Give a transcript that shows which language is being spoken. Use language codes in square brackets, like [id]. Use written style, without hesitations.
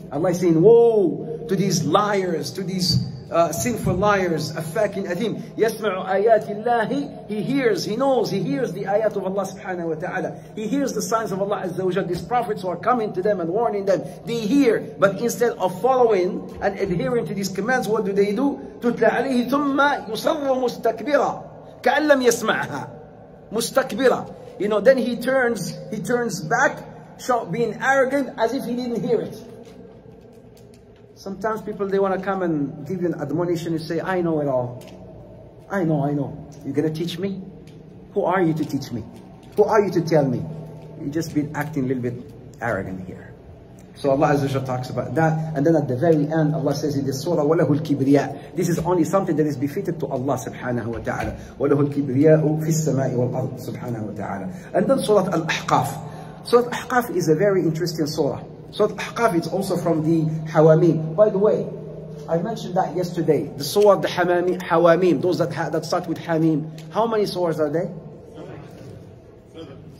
[en] Allah is saying, woe to these liars, to these sinful liars. [ar] أفاك أثيم. يسمع آيات الله. [en] He hears, he knows, he hears the آيات of Allah subhanahu wa ta'ala. He hears the signs of Allah azza wa jalla. These prophets who are coming to them and warning them, they hear. But instead of following and adhering to these commands, what do they do? [ar] تتلى عليه ثم يصر مستكبرا كأن لم يسمعها مستكبرا. [en] You know, then he turns back, so being arrogant as if he didn't hear it. Sometimes people, they want to come and give you an admonition and say, I know it all. I know. You're going to teach me? Who are you to teach me? Who are you to tell me? You've just been acting a little bit arrogant here. So Allah Azza wa Jalla talks about that. And then at the very end, Allah says in this surah, [ar] وَلَهُ الْكِبْرِيَاءُ. [en] This is only something that is befitted to Allah subhanahu wa ta'ala. [ar] وَلَهُ الْكِبْرِيَاءُ فِي السَّمَاءِ وَالْأَرْضِ subhanahu wa ta'ala. [en] And then Surah Al-Ahqaf. Surah Al-Ahqaf is a very interesting surah. Surah Al-Ahqaf is also from the Hawamim. By the way, I mentioned that yesterday. The surah, the Hawamim, those that start with Hamim. How many surahs are they? Seven.